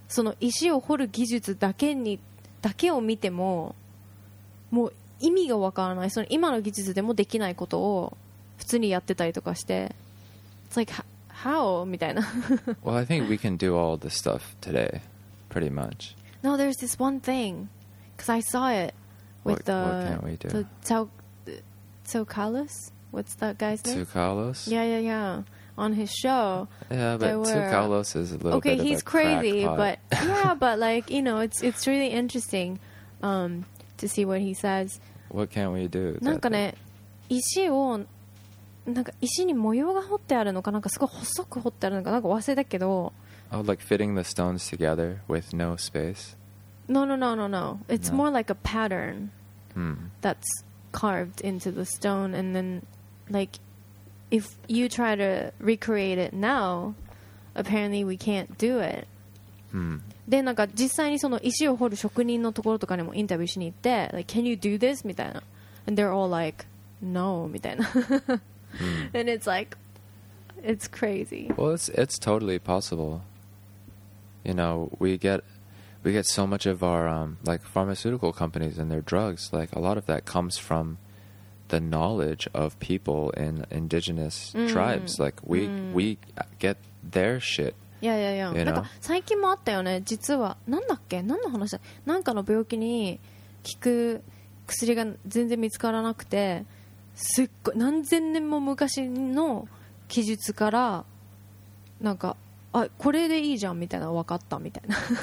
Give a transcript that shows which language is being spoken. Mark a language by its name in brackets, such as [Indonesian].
[Japanese] その石を掘る技術だけに、だけを見ても、もう、意味が分からない、その今の技術でもできないことを普通にやってたりとかして、 [English] It's like how? [Japanese] みたいな。 [English] Well, I think we can do all this stuff today, pretty much. No, there's this one thing, because I saw it with Tsoukalos. What's that guy's name? Tsoukalos? Yeah, yeah, yeah. On his show. Yeah, but Tsoukalos is a little okay, bit of a crazy, crackpot. Okay, he's crazy, but yeah, but like, you know, it's really interesting. To see what he says. What can we do? [Japanese] なんかね、石をなんか石に模様が彫ってあるのか、なんかすごい細く彫ってあるのか、なんか忘れたけど。 [English] Oh, like fitting the stones together with no space? No. It's no. more like a pattern that's carved into the stone, and then like if you try to recreate it now, apparently we can't do it. [Japanese] でなんか実際にその石を掘る職人のところとかにもインタビューしに行って、 [English] like, Can you do this? [Japanese] みたいな。 [English] And they're all like, No, [Japanese] みたいな。 [English] And it's like, it's crazy. Well, it's totally possible. You know, we get so much of our, like pharmaceutical companies and their drugs, like a lot of that comes from the knowledge of people in indigenous tribes. Like we get their shit. [Japanese] いやいやいや、 [English] you know? [Japanese] なんか最近もあったよね、実は。なんだっけ、何の話だ、なんかの病気に効く薬が全然見つからなくて、すっごい何千年も昔の記述からなんか、あ、これでいいじゃんみたいな、分かったみたいな。